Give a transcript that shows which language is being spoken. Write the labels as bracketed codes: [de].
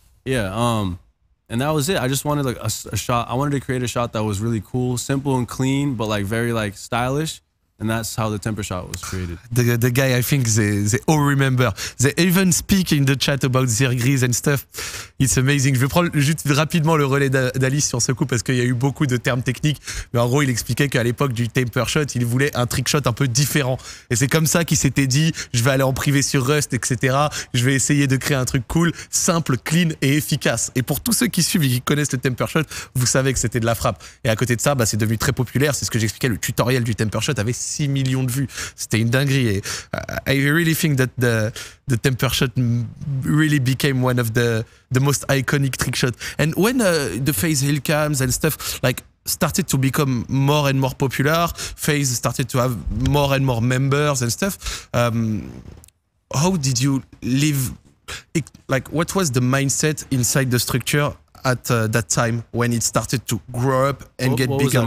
[en] Yeah. And that was it. I just wanted like a shot. I wanted to create a shot that was really cool, simple and clean, but like very like stylish. And that's how the Temperrr Shot was created. The guy, I think they all remember. They even speak in the chat about Zerg Grizz and stuff. It's amazing. [fr] Je vais prendre juste rapidement le relais d'Alice sur ce coup parce qu'il y a eu beaucoup de termes techniques. Mais en gros, il expliquait qu'à l'époque du Temperrr Shot, il voulait un trick shot un peu différent. Et c'est comme ça qu'il s'était dit, je vais aller en privé sur Rust, etc. Je vais essayer de créer un truc cool, simple, clean et efficace. Et pour tous ceux qui suivent et qui connaissent le Temperrr Shot, vous savez que c'était de la frappe. Et à côté de ça, bah, c'est devenu très populaire. C'est ce que j'expliquais, le tutoriel du Temperrr Shot avait 6 millions de vues. C'était une dinguerie. [en] I really think that the Temperrr Shot really became one of the most iconic trick shot. And when the FaZe Hill cams and stuff like started to become more and more popular, FaZe started to have more and more members and stuff, how did you live it, like what was the mindset inside the structure at that time when it started to grow up and get bigger?